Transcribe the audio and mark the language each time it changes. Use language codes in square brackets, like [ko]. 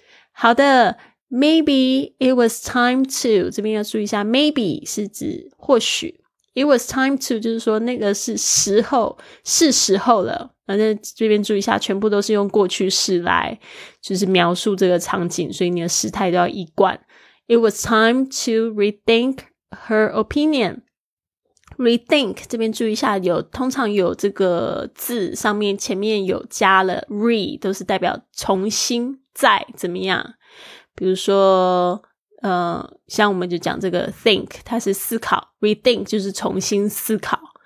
[zh] 好的， [en] maybe it was time to， [zh] 这边要注意一下， maybe 是指或许， it was time to 就是说那个是时候，是时候了。那这边注意一下，全部都是用过去式来就是描述这个场景，所以你的时态都要一贯。 [en] it was time to rethink her opinion。 [zh] Rethink 这边注意一下，有通常有这个字上面前面有加了 re， 都是代表重新再怎么样。比如说像我们就讲这个 think， 它是思考， rethink 就是重新思考。